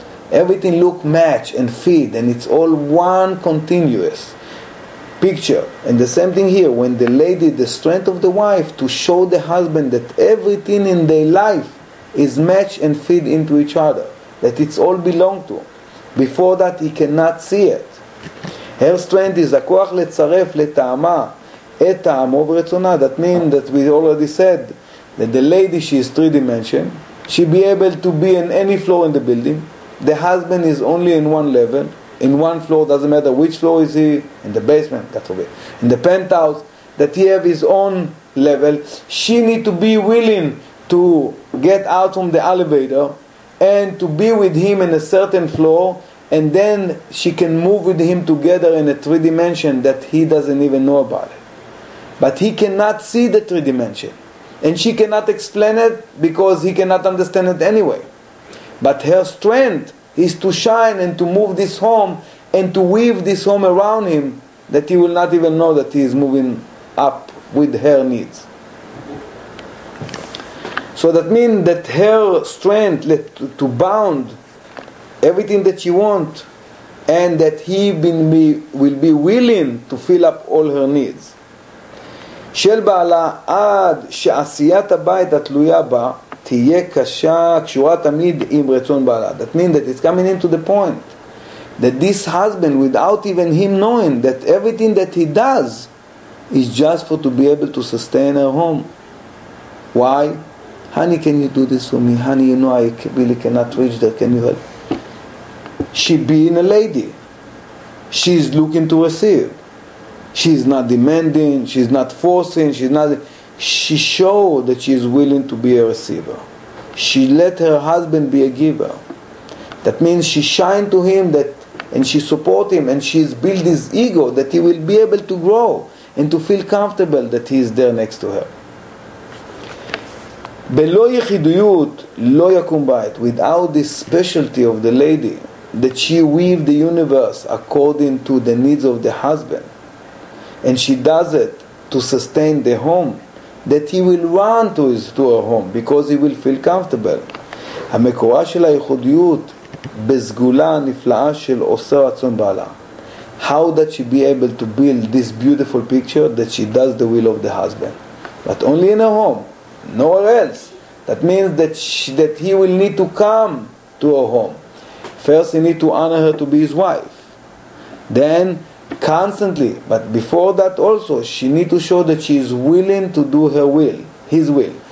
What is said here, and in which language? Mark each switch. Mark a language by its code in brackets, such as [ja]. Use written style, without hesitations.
[en] Everything look match and fit, and it's all one continuous picture. And the same thing here, when the lady, the strength of the wife, to show the husband that everything in their life is match and fit into each other, that it's all belong to. Before that, he cannot see it. Her strength is [he] הכוח לצרף לטעמה את טעמו ורצונה. [en] That means that we already said that the lady, she is three dimension. She be able to be in any floor in the building. The husband is only in one level. In one floor, doesn't matter which floor is he. In the basement, that's okay. In the penthouse, that he have his own level. She need to be willing to get out from the elevator and to be with him in a certain floor, and then she can move with him together in a three dimension that he doesn't even know about it. But he cannot see the three dimension, and she cannot explain it because he cannot understand it anyway. But her strength is to shine and to move this home and to weave this home around him, that he will not even know that he is moving up with her needs. So that means that her strength to bound everything that she wants, and that he will be willing to fill up all her needs. [he] של בעלה עד שעשיית הבית התלויה בה תהיה קשה, קשורה תמיד עם רצון בעלה. [en] That means that it's coming into the point that this husband, without even him knowing, that everything that he does is just for to be able to sustain her home. Why? Honey, can you do this for me? Honey, you know I really cannot reach there. Can you help? She being a lady, she is looking to receive. She is not demanding. She is not forcing. She is not. She showed that she is willing to be a receiver. She let her husband be a giver. That means she shined to him that, and she support him, and she is build his ego that he will be able to grow and to feel comfortable that he is there next to her. [he] בלא יחידויות לא יקום בית. [en] Without this specialty of the lady, that she weave the universe according to the needs of the husband, and she does it to sustain the home, that he will run to her home because he will feel comfortable. [he] המקורה של היחודיות בסגולה הנפלאה של עושה רצון בעלה. [en] How that she be able to build this beautiful picture that she does the will of the husband, but only in her home, nowhere else. That means that he will need to come to her home. First he need to honor her to be his wife. Then constantly, but before that also, she need to show that she is willing to do her will, his will.